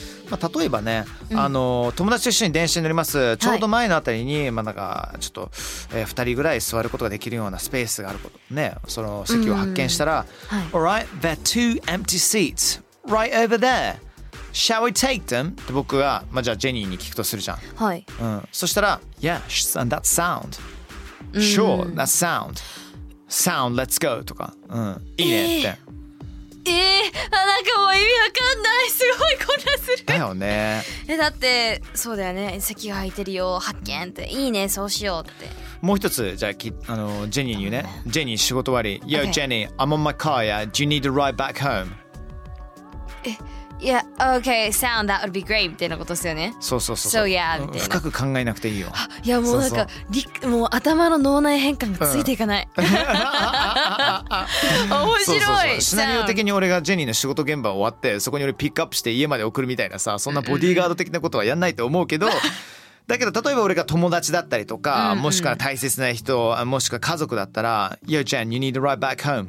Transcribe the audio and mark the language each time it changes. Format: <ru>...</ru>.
<ja>まあ、例えばね、うん、友達と一緒に電車に乗ります、はい、ちょうど前のあたりに、まあ、なんかちょっと、2人ぐらい座ることができるようなスペースがあることね、その席を発見したら、うんうん、はい、</ja> <en>Alright, there are two empty seats right over there. Shall we take them?</en> <ja>って僕が、まあ、じゃあジェニーに聞くとするじゃん、はい、</ja> <en>うん、そしたら Yes, and that sound Sure, that soundSound, let's go!</en> <ja>とか、うん、いいねって。なんかもう意味わかんない。すごい混乱する。だよね。だって、そうだよね。席が空いてるよ、発見って。いいね、そうしようって。もう一つ、じゃあ、ジェニーに言うね。ジェニー、仕事終わり。</ja> <en>Yo, Jenny, I'm on my car, yeah? Do you need to ride back home? Yeah, okay, sound, that would be great,</en> <ja>みたいなことですよね。そうそうそうそう。</ja> <en>So, yeah,</en> <ja>みたいな。深く考えなくていいよ。いや、もうなんか、そうそう、もう頭の脳内変換がついていかない。面白い。そうそうそう。シナリオ的に俺がジェニーの仕事現場終わって、そこに俺ピックアップして家まで送るみたいなさ、そんなボディーガード的なことはやんないと思うけど、だけど例えば俺が友達だったりとか、もしくは大切な人、もしくは家族だったら、</ja> <en>Yo, Jen, you need to ride back home.</en>